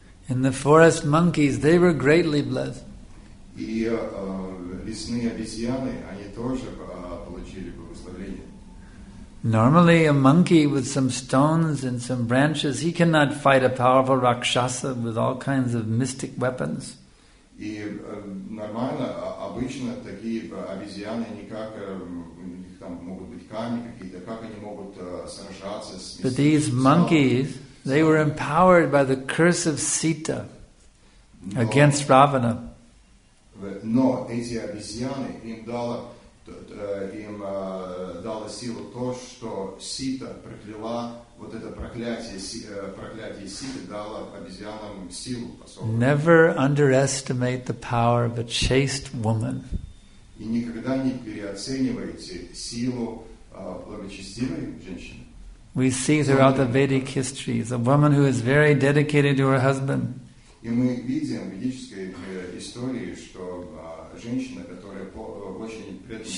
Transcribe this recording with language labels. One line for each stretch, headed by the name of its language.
English: And the forest monkeys, they were greatly blessed.
Russian: И лесные обезьяны, они тоже получили благословение.
English: Normally, a monkey with some stones and some branches, he cannot fight a powerful rakshasa with all kinds of mystic weapons.
Russian: И нормально, обычно такие обезьяны никак, там могут быть камни какие-то, как они могут сражаться с...
English: But these monkeys, they were empowered by the curse of Sita against Ravana.
Russian: Но эти обезьяны им дало силу то, что Сита прокляла, вот это проклятие Ситы дало обезьянам силу.
English: Never underestimate the power of a chaste woman.
Russian: И никогда не переоценивайте силу благочестивой женщины.
English: We see throughout the Vedic histories a woman who is very dedicated to her husband.
Russian: И мы видим в ведической истории, что женщина, которая очень преданная,